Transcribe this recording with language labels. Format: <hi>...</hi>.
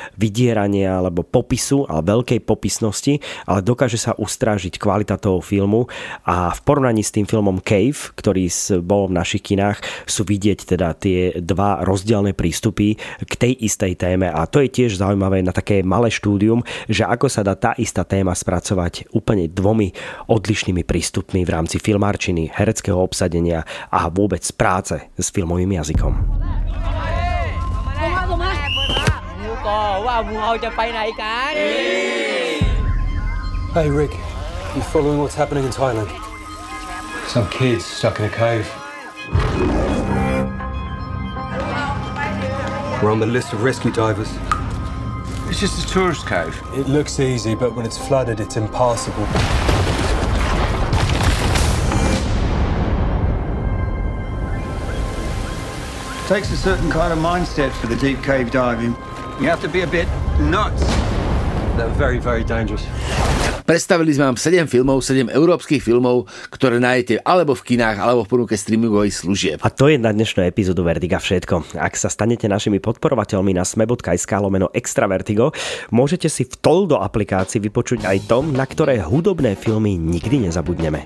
<sk>vydierania alebo popisu ale veľkej popisnosti, ale dokáže sa ustrážiť kvalita toho filmu a v porovnaní s tým filmom Cave, ktorý bol v našich kinách, sú vidieť teda tie dva rozdielne prístupy k tej istej téme a to je tiež zaujímavé na také malé štúdium, že ako sa dá tá istá téma spracovať úplne dvomi odlišnými prístupmi v rámci filmárčiny, hereckého obsadenia a vôbec práce s filmovým jazykom.</sk> <en>Hey Rick, you following what's happening in Thailand? Some kids stuck in a cave. We're on the list of rescue divers. It's just a tourist cave. It looks easy, but when it's flooded, it's impassable. It takes a certain kind of mindset for the deep cave diving. You have to be a bit nuts. They're very, very dangerous.</en> <sk>Predstavili sme vám 7 filmov, 7 európskych filmov, ktoré nájdete alebo v kinách, alebo v ponuke streamingových služieb. A to je na dnešnú epizódu Vertiga všetko. Ak sa stanete našimi podporovateľmi na sme.sk/extravertigo, môžete si v Toldo aplikácii vypočuť aj tom, na ktoré hudobné filmy nikdy nezabudneme.</sk>